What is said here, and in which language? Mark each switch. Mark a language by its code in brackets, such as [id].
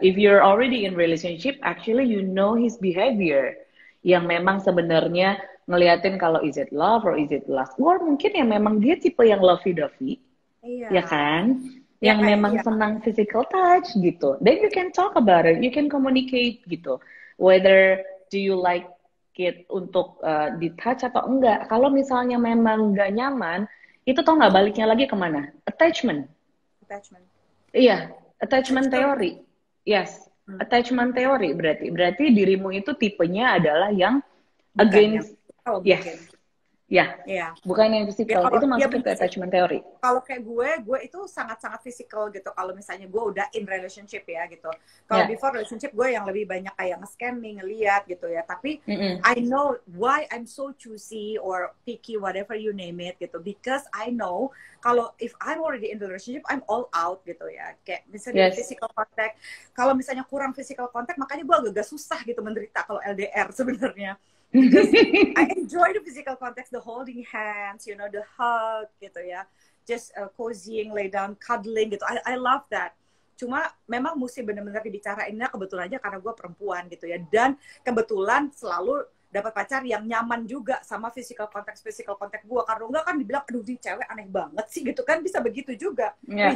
[en] If you're already in relationship, actually you know his behavior. [id] Yang memang sebenarnya ngeliatin kalau [en] is it love or is it lust. [id] Or mungkin yang memang dia tipe yang [en] lovey-dovey. [id] Iya. Ya kan? Yang ya, memang senang [en] physical touch [id] gitu. [en] Then you can talk about it. You can communicate [id] gitu. [en] Whether do you like it [id] untuk di-touch atau enggak. Kalau misalnya memang nggak nyaman, itu tau nggak baliknya lagi kemana? [en] Attachment. Attachment. [id] Iya. [en] Attachment theory. Yes. Attachment theory [id] berarti. Berarti dirimu itu tipenya adalah yang bukan [en] against. [id] Yang. Oh, ya, bukan yang physical, ya, kalau, itu masuk ke attachment theory. Kalau kayak gue itu sangat-sangat physical gitu. Kalau misalnya gue udah [en] in relationship [id] ya gitu. Kalau [en] before relationship [id] gue yang lebih banyak kayak [en] nge-scanning, [id] ngeliat gitu ya. Tapi [en] I know why I'm so choosy or picky, whatever you name it [id] gitu. [en] Because I know [id] kalau [en] if I'm already in the relationship, I'm all out [id] gitu ya. Kayak misalnya [en] physical contact. [id] Kalau misalnya kurang physical contact, makanya gue agak susah gitu menderita kalau LDR sebenarnya. [en] Just, I enjoy the physical contact, the holding hands, you know, the hug, [id] gitu ya. [en] Just cozying, lay down, cuddling, [id] gitu. [en] I love that. [id] Cuma memang mesti benar-benar dibicarainnya kebetulan aja karena gue perempuan, gitu ya. Dan kebetulan selalu dapat pacar yang nyaman juga sama [en] physical contact [id] gue. Karena enggak kan dibilang, aduh, ini cewek aneh banget sih, gitu kan. Bisa begitu juga. [en] Yeah.